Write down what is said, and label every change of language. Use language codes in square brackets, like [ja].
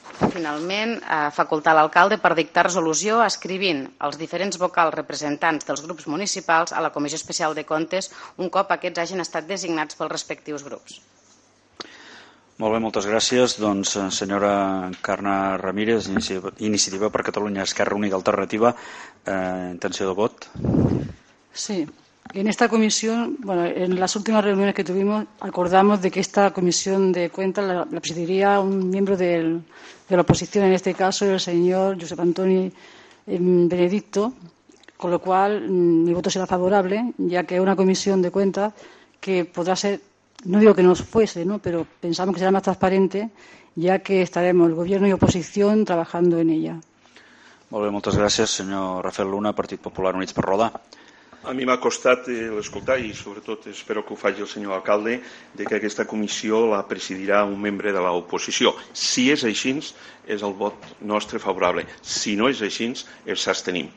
[ca] Finalment, facultar l'alcalde per dictar resolució escrivint als diferents vocals representants dels grups municipals a la Comissió Especial de Comptes un cop aquests hagin estat designats pels respectius grups. Molt bé, moltes gràcies. Doncs, senyora Carme Ramírez, Iniciativa per Catalunya Esquerra Unida Alternativa, intenció de vot. [es] Sí, en esta comisión, bueno, en las últimas reuniones que tuvimos acordamos de que esta comisión de cuentas la presidiría un miembro de la oposición, en este caso el señor Josep Antoni Benedicto, con lo cual mi voto será favorable, ya que es una comisión de cuentas que podrá ser, no digo que no fuese, ¿no?, pero pensamos que será más transparente, ya que estaremos el gobierno y oposición trabajando en ella. [ca] Molt bé, moltes gràcies, senyor Rafael Luna, Partit Popular Units per Roda. A mi m'ha costat l'escoltar i sobretot espero que ho faci el senyor alcalde, de que aquesta comissió la presidirà un membre de l'oposició. Si és així, és el vot nostre favorable. Si no és així, ens abstenim.